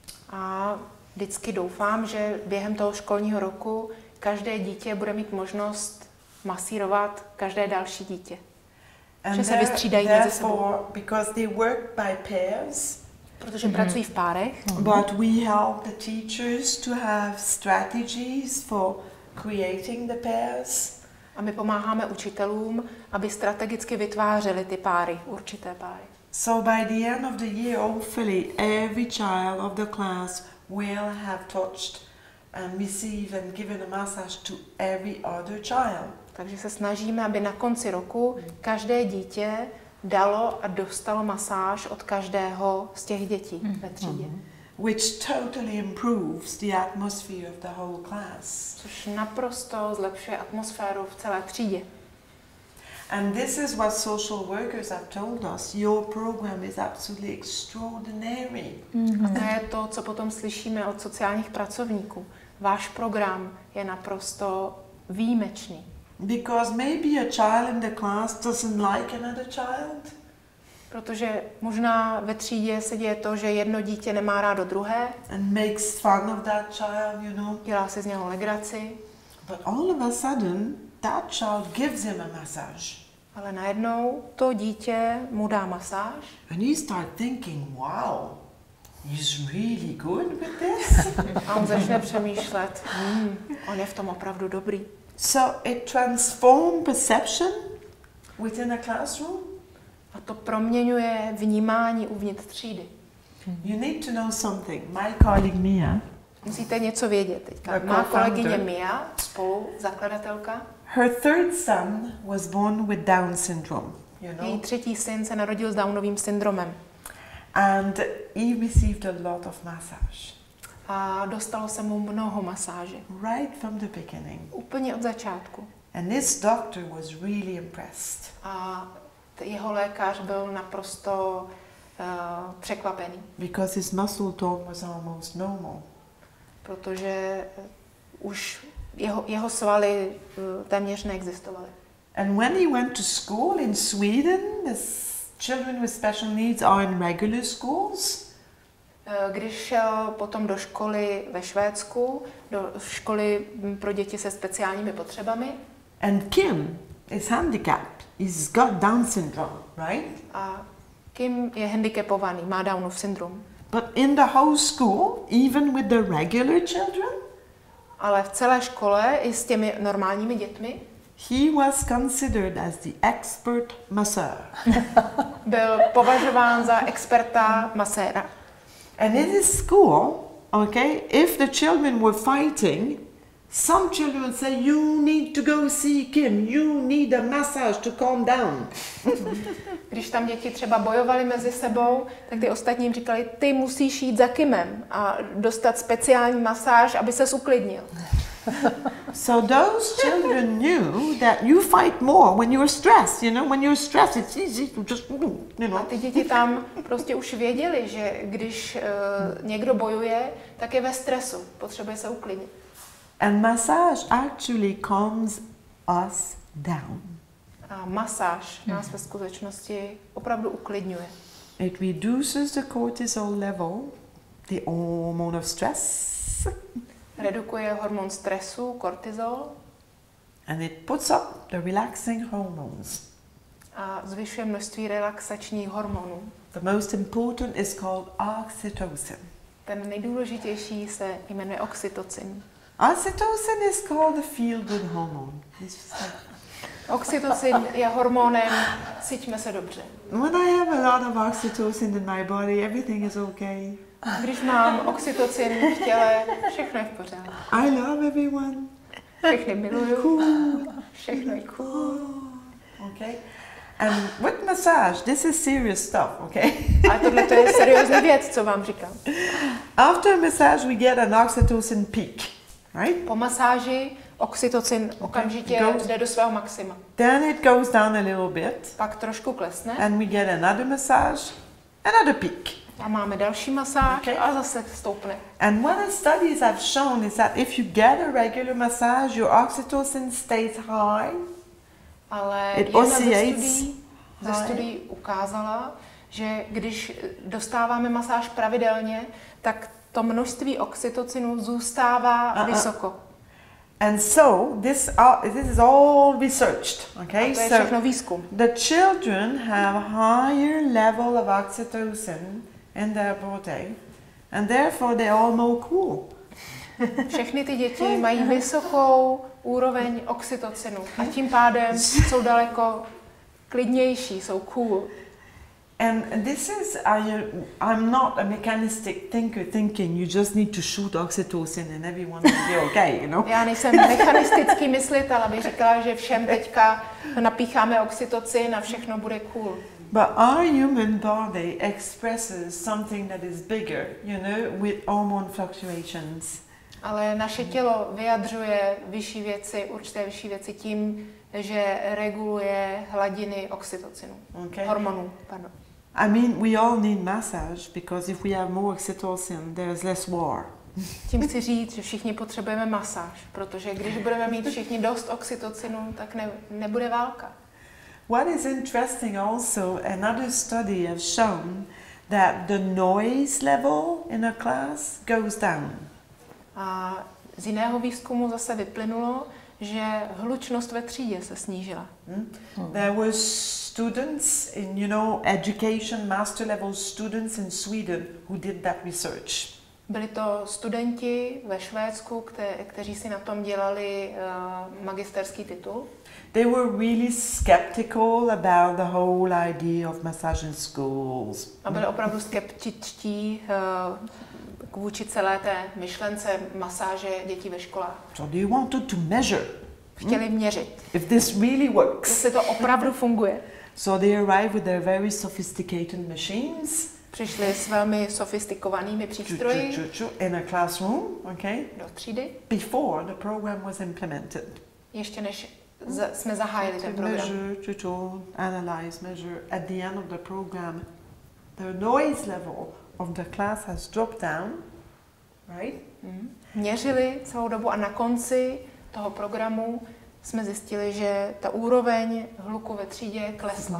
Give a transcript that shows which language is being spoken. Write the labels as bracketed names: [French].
[Czech] A vždycky doufám, že během toho školního roku každé dítě bude mít možnost masírovat každé další dítě. [English] And [Czech] že se vystřídají mezi sebou. [English] Because they work by pairs. [Czech] Protože pracují v párech. [English] But we help the teachers to have strategies for creating the pairs. [Czech] A my pomáháme učitelům, aby strategicky vytvářeli ty páry, určité páry. [English] So by the end of the year, hopefully every child of the class will have touched and received and given a massage to every other child. [Czech] Takže se snažíme, aby na konci roku každé dítě dalo a dostalo masáž od každého z těch dětí ve třídě. [English] Which totally improves the atmosphere of the whole class. [Czech] Což naprosto zlepšuje atmosféru v celé třídě. [English] And this is what social workers have told us. Your program is absolutely extraordinary. [Czech] A to je to, co potom slyšíme od sociálních pracovníků. Váš program je naprosto výjimečný. [English] Because maybe a child in the class doesn't like another child. [Czech] Protože možná ve třídě se děje to, že jedno dítě nemá rádo druhé. [English] And makes fun of that child, you know. [Czech] Dělá si z něho legraci. [English] But all of a sudden that child gives him a massage. [Czech] Ale najednou to dítě mu dá masáž. [English] And he start thinking, wow, he's really good with this. [Czech] A on začne přemýšlet, on je v tom opravdu dobrý. [English] So it transforms perception within a classroom. [Czech] A to proměňuje vnímání uvnitř třídy. [English] You need to know something. My colleague Mia. [Czech] Musíte něco vědět teďka. Má kolegyně Mia, spolu zakladatelka. [English] Her third son was born with Down syndrome. You know. [Czech] Její třetí syn se narodil s Downovým syndromem. [English] And he received a lot of massage. [Czech] A dostalo se mu mnoho masáže. [English] Right from the beginning. [Czech] Úplně od začátku. [English] And this doctor was really impressed. [Czech] A jeho lékař byl naprosto překvapený. [English] Because his muscle tone was almost normal. [Czech] Protože už jeho svaly téměř neexistovaly. [English] And when he went to school in Sweden, the children with special needs are in regular schools. [Czech] Když šel potom do školy ve Švédsku, do školy pro děti se speciálními potřebami. [English] And Kim is handicapped. He's got Down syndrome, right? [Czech] A Kim je handicapovaný, má Downův syndrom. [English] But in the whole school, even with the regular children? [Czech] Ale v celé škole i s těmi normálními dětmi? [English] He was considered as the expert masseur. [Czech] Byl považován za experta maséra. [English] And in his school, okay, if the children were fighting, some children would say, you need to go see Kim, you need a massage to calm down. [Czech] Když tam děti třeba bojovali mezi sebou, tak ty ostatní jim říkali, ty musíš jít za Kimem a dostat speciální masáž, aby ses uklidnil. [English] So those children knew that you fight more when you're stressed, you know, when you're stressed it's easy to just, you know. [Czech] A ty děti tam prostě už věděli, že když někdo bojuje, tak je ve stresu, potřebuje se uklidnit. [English] And massage actually calms us down. [Czech] A masáž nás ve skutečnosti opravdu uklidňuje. [English] It reduces the cortisol level, the hormone of stress. [Czech] Redukuje hormon stresu, kortizol. [English] And it puts up the relaxing hormones. [Czech] A zvyšuje množství relaxačních hormonů. [English] The most important is called oxytocin. [Czech] Ten nejdůležitější se jmenuje oxytocin. [English] Oxytocin is called the feel-good hormone. [Czech] Oxytocin je hormonem, cítíme se dobře. [English] When I have a lot of oxytocin in my body, everything is okay. [Czech] Když mám oxytocin v těle, všechno je v pořádku. [English] I love everyone. [Czech] Všechny miluju. Všechno je cool. [English] Okay. And with massage, this is serious stuff, okay? [Czech] A tohle to je seriózní věc, co vám říkám. [English] After massage, we get an oxytocin peak, right? [Czech] Po masáži oxytocin okamžitě jde do svého maxima. [English] Then it goes down a little bit. [Czech] Pak trošku klesne. [English] And we get another massage, another peak. [Czech] A máme další masáž, okay. A zase stoupne. [English] And what the studies have shown is that if you get a regular massage, your oxytocin stays high. [Czech] Ale [English] it oscillates. [Czech] Ze studií ukázala, že když dostáváme masáž pravidelně, tak to množství oxytocinu zůstává vysoko. [English] And so this is all researched, okay? [Czech] A to je [English] so [Czech] všechno výzkum. [English] The children have higher level of oxytocin in their body, and therefore they all more cool. [Czech] Všechny ty děti mají vysokou úroveň oxytocinu a tím pádem jsou daleko klidnější, jsou cool. [English] And this is I'm not a mechanistic thinking. You just need to shoot oxytocin and everyone will be okay, you know. [Czech] Já nejsem mechanistický myslitel, abych říkala, že všem teďka napícháme oxytocin a všechno bude cool. [English] But our human body expresses something that is bigger, you know, with hormone fluctuations. [Czech] Ale naše tělo vyjadřuje vyšší věci, určité vyšší věci tím, že reguluje hladiny oxytocinu, okay. Hormonů, pardon. [English] I mean, we all need massage because if we have more oxytocin, there is less war. [Czech] Tím chci říct, že všichni potřebujeme masáž, protože když budeme mít všichni dost oxytocinu, tak nebude válka. [English] What is interesting also, another study has shown that the noise level in a class goes down. [Czech] A z jiného výzkumu zase vyplynulo, že hlučnost ve třídě se snížila. [English] There were students in, you know, education master level students in Sweden who did that research. [Czech] Byli to studenti ve Švédsku, kteří si na tom dělali magisterský titul. [English] They were really skeptical about the whole idea of massage in schools. [Czech] A byli opravdu skeptičtí vůči celé té myšlence masáže dětí ve školách. [English] So they wanted to measure. [Czech] Chtěli měřit. [English] If this really works. [Czech] Jestli to opravdu funguje. [English] So they arrived with their very sophisticated machines. [Czech] Přišli s velmi sofistikovanými přístroji. [English] In a classroom, okay? [Czech] Do třídy. [English] Before the program was implemented. [Czech] Ještě než jsme zahájili ten program. [English] Measure, analyze, measure. At the end of the program, the noise level of the class has dropped down, right? Mm-hmm. [Czech] Měřili celou dobu a na konci toho programu jsme zjistili, že ta úroveň hluku ve třídě klesla.